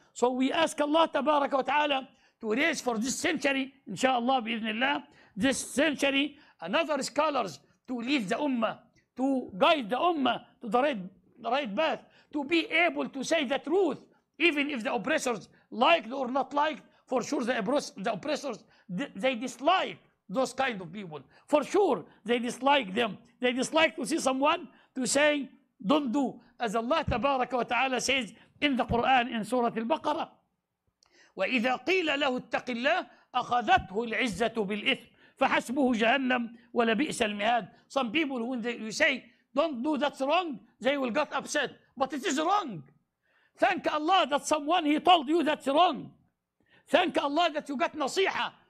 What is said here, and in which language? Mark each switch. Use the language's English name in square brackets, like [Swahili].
[English] So we ask Allah [Arabic] تبارك وتعالى [English] to raise for this century inshallah [Arabic] بإذن الله [English] this century another scholars to lead the ummah, to guide the ummah to the right path, to be able to say the truth even if the oppressors liked or not liked. For sure the oppressors they dislike those kind of people. For sure, they dislike them. They dislike to see someone to say, don't do. As Allah تبارك وتعالى says in the Quran, in Surah Al-Baqarah, [Arabic] وَإِذَا قِيلَ لَهُ اتَّقِ اللَّهِ أَخَذَتْهُ الْعِزَّةُ بِالْإِثْمِ فَحَسْبُهُ جَهَنَّمْ وَلَبِئْسَ الْمِهَادِ. [English] Some people, when you say, don't do, that's wrong, they will get upset. But it is wrong. Thank Allah that someone, he told you that's wrong. Thank Allah that you got nasiha.